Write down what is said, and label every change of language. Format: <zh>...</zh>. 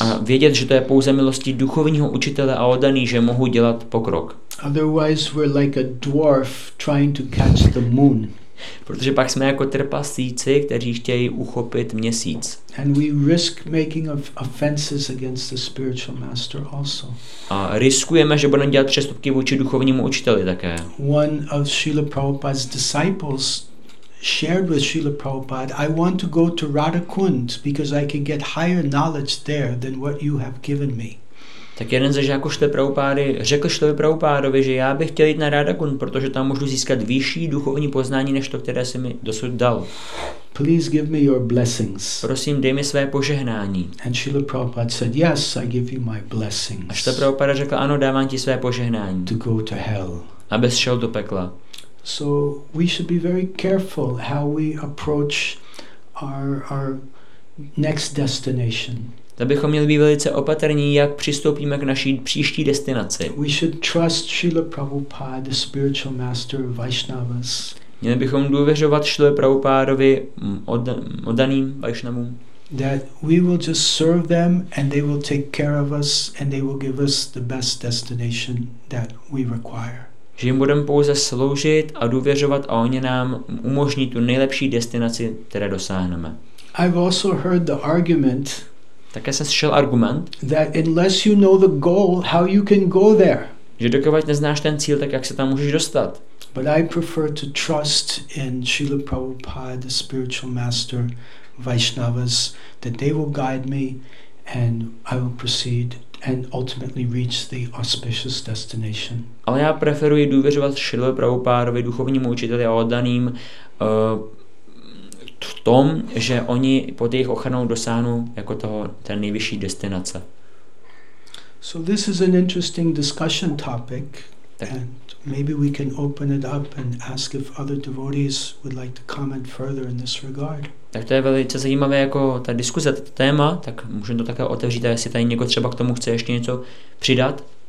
<cs>A vědět, že to je pouze milostí duchovního učitele a oddaný, že mohu dělat pokrok.</cs> <en>Otherwise we're like a dwarf trying to catch the moon.</en> <cs>Protože pak jsme jako trpaslíci, kteří chtějí uchopit měsíc.</cs> <en>And we risk making offenses against the spiritual master also.</en> <cs>A riskujeme, že budeme dělat přestupky vůči duchovnímu učiteli také.</cs> <en>One of Srila Prabhupada's disciples shared with Srila Prabhupada, I want to go to Radhakund because I can get higher knowledge there than what you have given me.</en> <cs>Tak jeden ze žáků Šrily Prabhupády řekl Šrily Prabhupádovi, že já bych chtěl jít na Radhakund, protože tam můžu získat vyšší duchovní poznání než to, které jsi mi dosud dal.</cs> <en>Please give me your blessings.</en> <cs>Prosím, dej mi své požehnání.</cs> <en>And Srila Prabhupada said, yes, I give you my blessings.</en> <cs>A Šrily Prabhupáda řekl, ano, dávám ti své požehnání.</cs> <en>To go to hell.</en> <cs>Abys šel do pekla.</cs> <en>So we should be very careful how we approach our next destination.</en> <cs>Tak bychom měli být velice opatrní, jak přistoupíme k naší příští destinaci.</cs> <en>We should trust Srila Prabhupada, the spiritual master of Vaishnavas.</en> <cs>Měli bychom důvěřovat Srila Prabhupádovi oddaným Vaishnavům.</cs> <en>That we will just serve them and they will take care of us and they will give us the best destination that we require.</en> <cs>Že jim budeme pouze sloužit a důvěřovat a oni nám umožní tu nejlepší destinaci, které dosáhneme.</cs> <en>I've also heard the argument.</en> <cs>Také jsem slyšel argument,</cs> <en>that unless you know the goal, how you can go there.</en> <cs>Že dokud neznáš ten cíl, tak jak se tam můžeš dostat.</cs> <en>But I prefer to trust in Srila Prabhupada, the spiritual master, Vaishnavas, that they will guide me and I will proceed and ultimately reach the auspicious destination.</en> <cs>Ale já preferuji důvěřovat Srila Prabhupádovi, duchovnímu učiteli a oddaným v tom, že oni pod jejich ochranou dosáhnou jako toho té nejvyšší destinace.</cs> <en>So this is an interesting discussion topic and maybe we can open it up and ask if other devotees would like to comment further in this regard.</en> <cs>Tak to je velice zajímavé jako ta diskuze, to téma, tak můžeme to také otevřít, a jestli tady někdo třeba k tomu chce ještě něco přidat.</cs>